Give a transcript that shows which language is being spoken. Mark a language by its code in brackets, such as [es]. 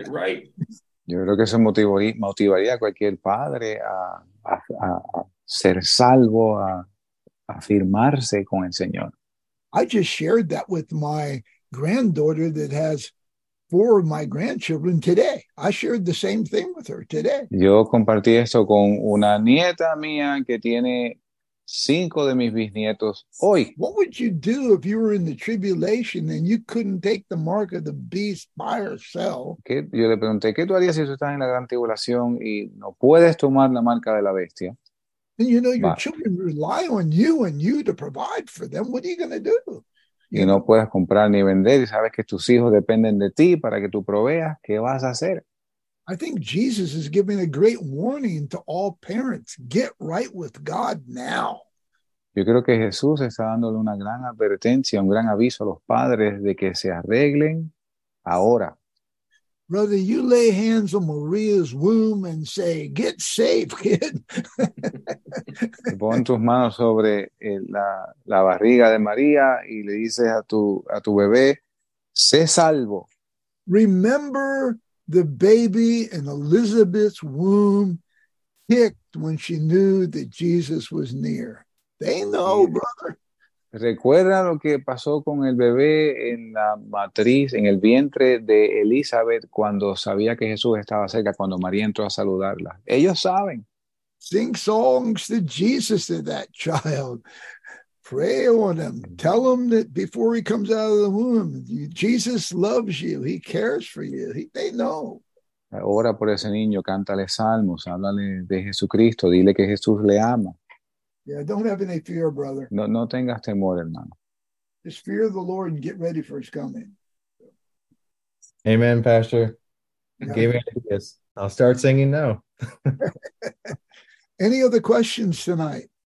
[en] Right. [es] Yo creo que eso motivaría a cualquier padre a ser salvo, a firmarse con el Señor. [en] I just shared that with my granddaughter that has four of my grandchildren today. I shared the same thing with her today. [es] Yo compartí esto con una nieta mía que tiene cinco de mis bisnietos hoy. [en] What would you do if you were in the tribulation and you couldn't take the mark of the beast by yourself? [es] ¿Qué? Yo le pregunté, ¿qué tú harías si tú estás en la gran tribulación y no puedes tomar la marca de la bestia? [en] And you know, your Va. children rely on you and you to provide for them. What are you going to do? [es] Y no puedes comprar ni vender y sabes que tus hijos dependen de ti para que tú proveas, ¿qué vas a hacer? [en] I think Jesus is giving a great warning to all parents. Get right with God now. [es] Yo creo que Jesús está dándole una gran advertencia, un gran aviso a los padres de que se arreglen ahora. [en] Brother, you lay hands on Maria's womb and say, get saved, kid. [es] Pon tus manos sobre la barriga de María y le dices a tu bebé, sé salvo. [en] Remember the baby in Elizabeth's womb kicked when she knew that Jesus was near. They know, [es] Y [en] brother. [es] recuerda lo que pasó con el bebé en la matriz, en el vientre de Elizabeth, cuando sabía que Jesús estaba cerca, cuando María entró a saludarla. Ellos saben. [en] Sing songs to Jesus to that child. Pray on him. Tell him that before he comes out of the womb, Jesus loves you. He cares for you. They know. [es] Ora por ese niño, cántale salmos, háblale de Jesucristo, dile que Jesús le ama. [en] Yeah, don't have any fear, brother. [es] No, no tengas temor, hermano. [en] Just fear the Lord and get ready for his coming. Amen, Pastor. You Yeah. gave me ideas. I'll start singing now. Any other questions tonight?